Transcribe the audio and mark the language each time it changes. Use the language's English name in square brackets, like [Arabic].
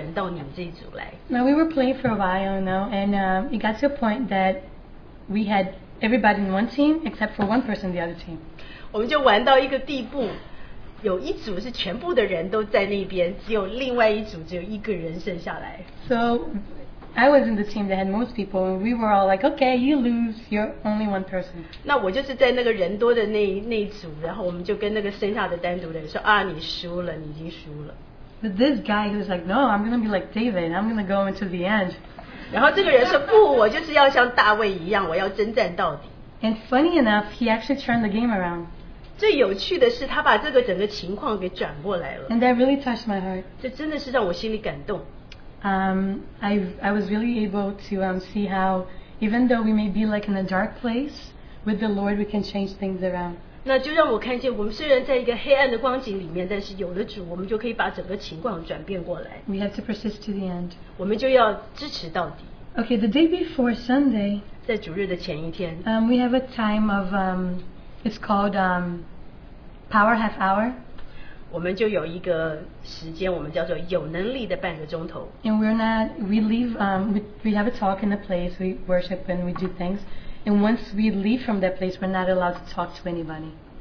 [English] Now we were playing for a while now, and it got to a point that we had everybody in one team except for one person in the other team. [Chinese] 我们就玩到一个地步, 有一组是全部的人都在那边, 只有另外一组只有一个人剩下来。 [English] So I was in the team that had most people, and we were all like, okay, you lose, you're only one person. [Chinese] 那我就是在那个人多的那一组, 然后我们就跟那个剩下的单独的人说, 啊, 你输了, 你已经输了。 [English] But this guy who was like, no, I'm going to be like David, I'm going to go into the end. [Chinese] 然后这个人说, 不, 我就是要像大卫一样, 我要征战到底。 [English] And funny enough, he actually turned the game around. [Chinese] 最有趣的是, 他把这个整个情况给转过来了。 [English] And that really touched my heart. [Chinese] 这真的是让我心里感动。 [English] I was really able to see how, even though we may be like in a dark place, with the Lord we can change things around. [Chinese] 那就让我看见我们虽然在一个黑暗的光景里面, 但是有了主, 我们就可以把整个情况转变过来。 [English] We have to persist to the end. [Chinese] 我们就要支持到底。 [English] Okay, the day before Sunday, [Chinese] 在主日的前一天, [English] we have a time of, it's called Power Half Hour. [Chinese] 我们就有一个时间, 我们叫做有能力的半个钟头。 [English] And we have a talk in a place, we worship and we do things. And once we leave from that place, we're not allowed to talk to anybody.